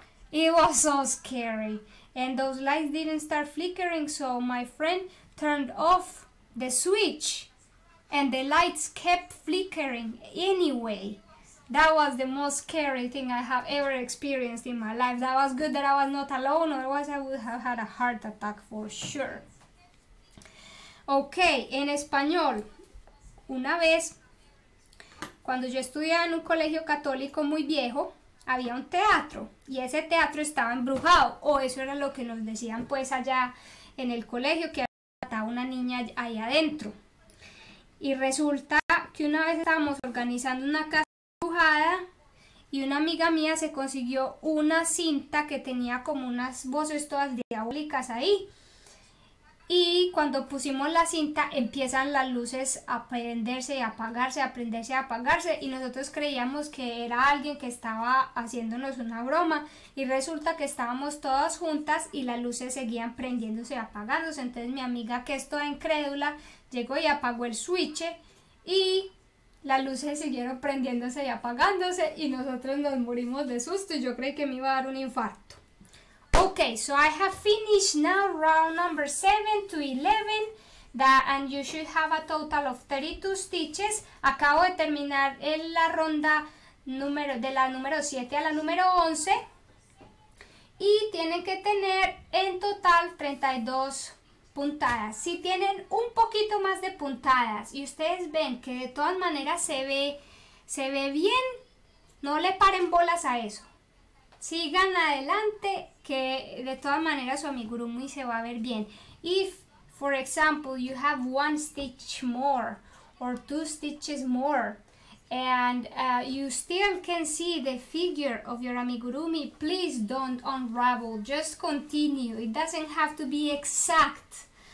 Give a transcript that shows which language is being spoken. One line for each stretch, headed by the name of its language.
English: It was so scary, and those lights didn't start flickering, so my friend turned off the switch, and the lights kept flickering anyway. That was the most scary thing I have ever experienced in my life. That was good that I was not alone, otherwise, I would have had a heart attack for sure.
Spanish: Okay, en español, una vez, cuando yo estudiaba en un colegio católico muy viejo, había un teatro y ese teatro estaba embrujado, o eso era lo que nos decían pues allá en el colegio, que había una niña ahí adentro. Y resulta que una vez estábamos organizando una casa embrujada y una amiga mía se consiguió una cinta que tenía como unas voces todas diabólicas ahí. Y cuando pusimos la cinta, empiezan las luces a prenderse y apagarse, a prenderse y apagarse. Y nosotros creíamos que era alguien que estaba haciéndonos una broma. Y resulta que estábamos todas juntas y las luces seguían prendiéndose y apagándose. Entonces mi amiga, que es toda incrédula, llegó y apagó el switch. Y las luces siguieron prendiéndose y apagándose. Y nosotros nos morimos de susto. Y yo creí que me iba a dar un infarto.
English: Okay, so I have finished now round number 7 to 11, and you should have a total of 32 stitches.
Spanish: Acabo de terminar en la ronda de la número 7 a la número 11. Y tienen que tener en total 32 puntadas. Si tienen un poquito más de puntadas y ustedes ven que de todas maneras se ve bien, no le paren bolas a eso. Sigan adelante, que de todas maneras su amigurumi se va a ver bien.
English: If, for example, you have one stitch more or two stitches more and you still can see the figure of your amigurumi, please don't unravel. Just continue. It doesn't have to be exact.